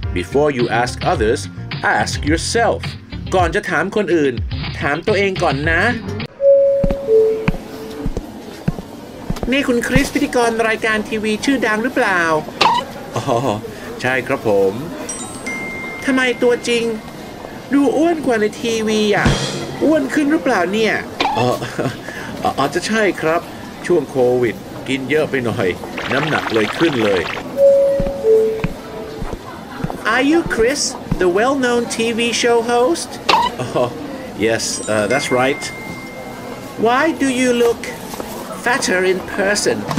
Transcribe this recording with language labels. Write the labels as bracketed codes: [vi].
[en] Before you ask others, ask yourself. [th] ก่อนจะถามคนอื่นถามตัวเองก่อนนะนี่คุณคริสพิธีกรรายการทีวีชื่อดังหรือเปล่า อ๋อใช่ครับผม ทำไมตัวจริงดูอ้วนกว่าในทีวีอ่ะอ้วนขึ้นหรือเปล่าเนี่ย อ๋อจะใช่ครับช่วงโควิดกินเยอะไปหน่อยน้ำหนักเลยขึ้นเลย [en] Are you Chris, the well-known TV show host? Yes, that's right. Why do you look fatter in person?